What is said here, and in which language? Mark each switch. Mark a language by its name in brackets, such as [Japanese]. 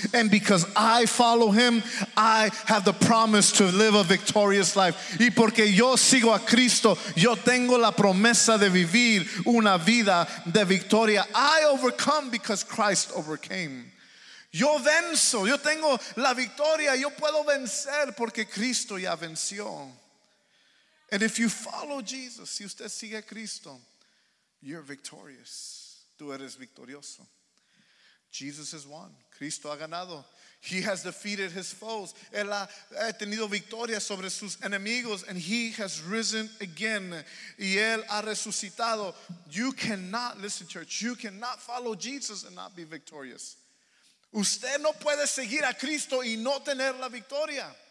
[English] And because I follow him, I have the promise to live a victorious life. [Spanish] Y porque yo sigo a Cristo, yo tengo la promesa de vivir una vida de victoria. [English] I overcome because Christ overcame. [Spanish] Yo venzo. Yo tengo la victoria. Yo puedo vencer porque Cristo ya venció. [English] And if you follow Jesus, [Spanish] si usted sigue a Cristo, [English] you're victorious. [Spanish] Tú eres victorioso. [English] Jesus has won. [Spanish] Cristo ha ganado. [English] He has defeated his foes. [Spanish] Él ha tenido victoria sobre sus enemigos. [English] And he has risen again. [Spanish] Y él ha resucitado. [English] You cannot, listen church, you cannot follow Jesus and not be victorious. [Spanish] Usted no puede seguir a Cristo y no tener la victoria.